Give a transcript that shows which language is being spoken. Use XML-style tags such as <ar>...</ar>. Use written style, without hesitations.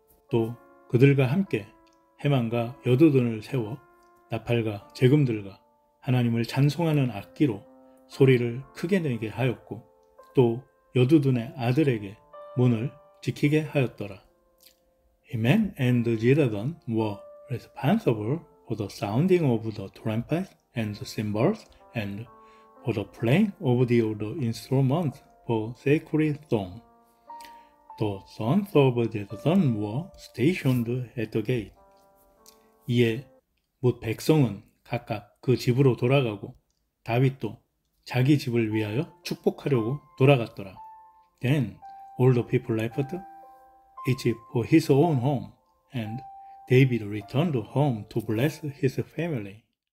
<ko>또 그들과 함께 헤만과 여두둔을 세워 나팔과 제금들과 하나님을 찬송하는 악기로 소리를 크게 내게 하였고 또 여두둔의 아들에게 문을 지키게 하였더라.</ko> <en>Heman and Jedidun were responsible for the sounding of the trumpets and the cymbals and for the playing of the old instruments for sacred song. The sons of Jedidun were stationed at the gate.</en> <ko>이에 뭇 백성은 각각 그 집으로 돌아가고 다윗도 자기 집을 위하여 축복하려고 돌아갔더라.</ko> <en>Then all the people left, each for his own home, and David returned home to bless his family.</en>